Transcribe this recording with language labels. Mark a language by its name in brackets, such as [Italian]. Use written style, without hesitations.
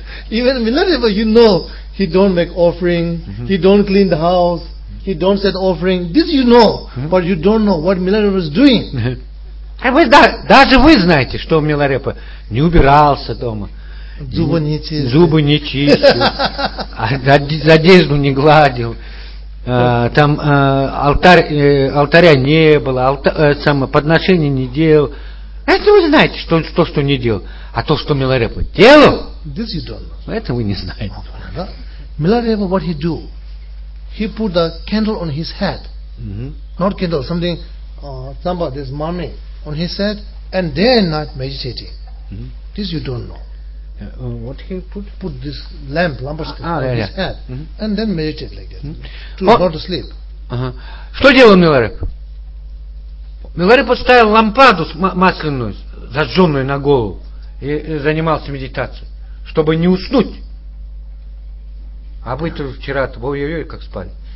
[English] Even Milarepa, you know, he don't make offering, he don't clean the house. He don't set offering. This you know, but you don't know what Milarepa was doing. [Russian] А вы даже вы знаете, что Милорепа не убирался дома. Зубы не чистил. Зубы не чистил. А одежду не гладил. Там алтаря не было, подношения не делал. Это вы знаете, что то, что не делал. А то, что Милорепа делал, [English] this you don't know. [Russian] Это вы не знаете. [English] Милорепа, what he do? He put the candle on his head, not candle, something, tamba, this mummy, on his head, and day and night meditating. This you don't know. What he put? Put this lamp, lamposcope, on his head, and then meditate like that, to go to sleep. [Russian] Что делал Миларепа? Миларепа поставил лампаду масляную, зажженную на голову, и занимался медитацией, чтобы не уснуть. А вы-то вчера-то, ой-ой-ой, как спали.